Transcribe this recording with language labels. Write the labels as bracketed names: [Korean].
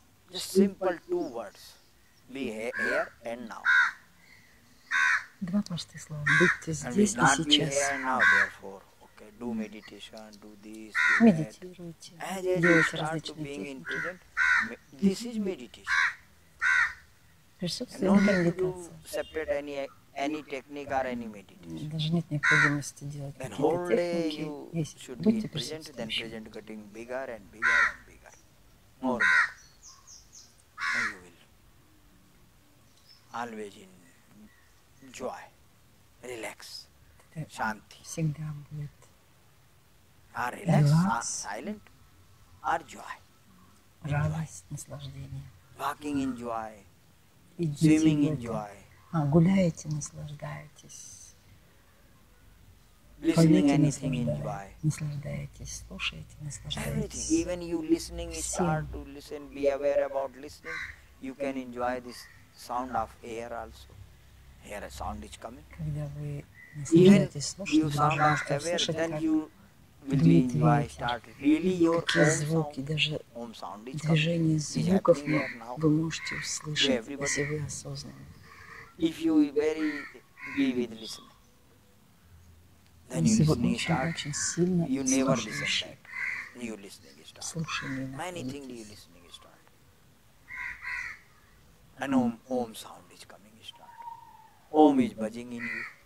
[English] Just simple two words. Be here and now. [Russian] Два простых слова. Будьте здесь и сейчас. [English] Be here and now, therefore. Okay, do meditation, do this, do that. [Russian] Медитируйте. [English] And then you start to being in present. This is meditation. [Russian] Присутствие не медитация. [English] Don't separate any technique or any meditation. [Russian] Даже нет необходимости делать какие-то техники. [English] Then whole day you should be in present, then present getting bigger and bigger and bigger. More and more. And you will always in joy, relax. Shanti. [Russian] Всегда будет. [English] Are relaxed, silent, or joy. [Russian] Радость, наслаждение. [English] Walking in joy. [Russian] Идите [English] swimming in joy. [Russian] А, гуляете, наслаждаетесь. [English] Listening [Russian] поете, [English] anything in joy. [Russian] Наслаждаетесь, слушаете, наслаждаетесь. [English] Everything. Even you listening, you start to listen, be aware about listening. You can enjoy this sound of air also. Here a sound is coming. [Russian] Когда вы [English] even you sound aware, then you will be enjoy, start really your [Russian] звуки, даже [English] ohm sound is [Russian] движение звуков вы можете услышать, если вы осознаны. [English] If you very be with listening, then you listening start, you never listen back. New listening is start. Many things new listening is start. And ohm sound is coming is start. Ohm is buzzing in you.